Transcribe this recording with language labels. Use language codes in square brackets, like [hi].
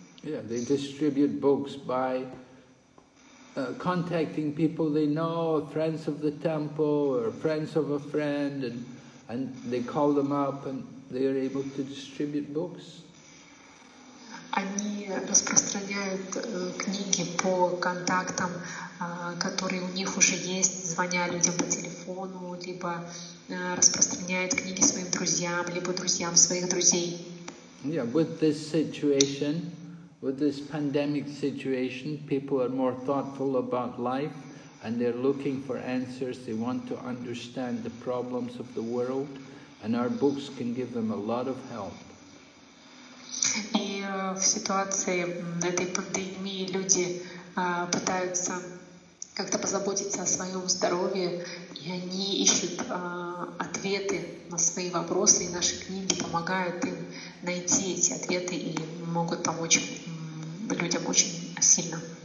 [en] Yeah, they distribute books by contacting people they know, friends of the temple or friends of a friend, and they call them up and they are able to distribute books. [ru] Они распространяют книги по контактам, которые у них уже есть, звоня людям по телефону, либо распространяют книги своим друзьям, либо друзьям своих друзей. [en] Yeah, with this pandemic situation, people are more thoughtful about life, and they're looking for answers. They want to understand the problems of the world, and our books can give them a lot of help. [ru] И в ситуации этой пандемии люди пытаются как-то позаботиться о своем здоровье, и они ищут ответы на свои вопросы, и наши книги помогают им найти эти ответы и могут помочь людям очень сильно.